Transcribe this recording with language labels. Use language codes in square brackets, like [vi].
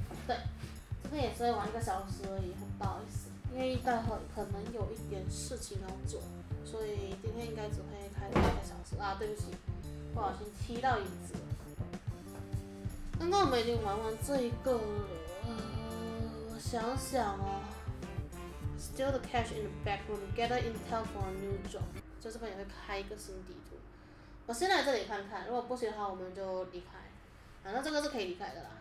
[zh] 对，这边也只会玩一个小时而已，很不好意思，因为待会可能有一点事情要做，所以今天应该只会开一个小时啊。对不起，不小心踢到椅子了。那我们已经玩完这一个，我想想哦。 [en] Steal the cash in the back room, gather intel for a new job. [zh] 就这边也会开一个新地图。我先来这里看看，如果不行的话，我们就离开。反正这个是可以离开的啦。